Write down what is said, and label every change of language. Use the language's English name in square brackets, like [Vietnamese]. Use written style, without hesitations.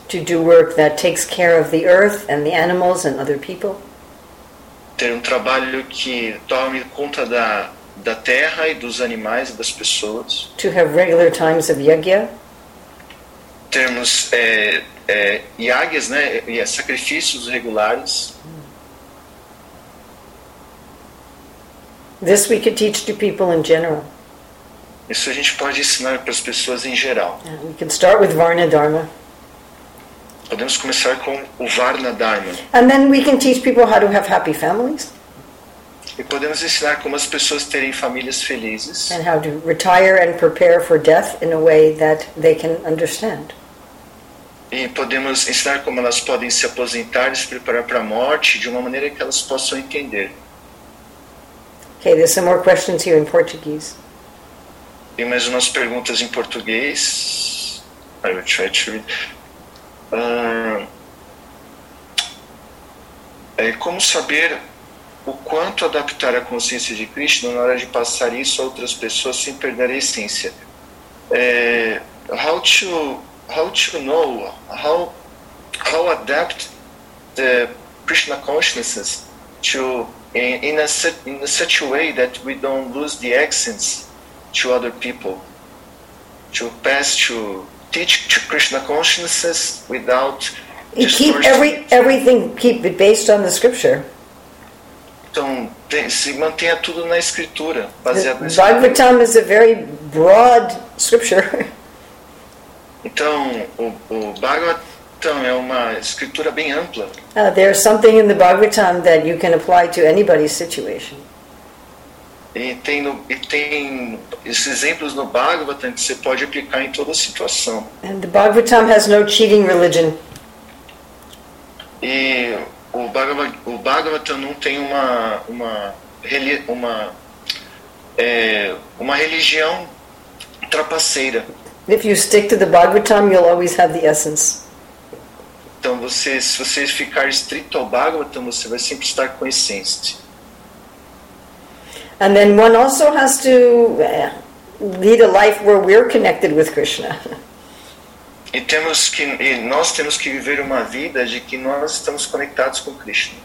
[English] To do work that takes care of the earth and the animals and other people. [Portuguese] Ter trabalho que tome conta da terra e dos animais e das pessoas. [English] To have regular times of yagya. [Portuguese] Termos yagyas, né, e sacrifícios regulares. [English] This we could teach to people in general. [Portuguese] Isso a gente pode ensinar para as pessoas em geral. [English] We can start with Varna Dharma. [Portuguese] Podemos começar com o Varna Dharma. [English] And then we can teach people how to have happy families. [Portuguese] E podemos ensinar como as pessoas terem famílias felizes. [English] And how to retire and prepare for death in a way that they can understand. [Portuguese] E podemos ensinar como elas podem se aposentar e se preparar para a morte de uma maneira que elas possam entender. [English] Okay, there's some more questions here in Portuguese. [Portuguese] Tem mais umas perguntas em português. [English] I will try to read. [Portuguese] Como saber o quanto adaptar a consciência de Krishna na hora de passar isso a outras pessoas sem perder a essência? [English] How to know how adapt the Krishna consciousness to in such a way that we don't lose the essence to other people, to pass to teach to Krishna consciousness without distortion. Keep everything keep it based on the scripture. [Portuguese] Então, se mantenha tudo na escritura, baseado na escritura. [English] Bhagavatam is a very broad scripture. [Portuguese] Então, o Bhagavatam é uma escritura bem ampla. [English] There's something in the Bhagavatam that you can apply to anybody's situation. [Portuguese] E tem esses exemplos no Bhagavatam que você pode aplicar em toda situação. [English] And the Bhagavatam has no cheating religion. [Portuguese] E o Bhagavatam não tem uma religião trapaceira. [English] If you stick to the Bhagavatam, you'll always have the essence. [Portuguese] Então, se você ficar estrito ao Bhagavatam, você vai sempre estar com a essência. [English] And then one also has to lead a life where we're connected with Krishna. [Portuguese] E nós temos que viver uma vida de que nós estamos conectados com Krishna.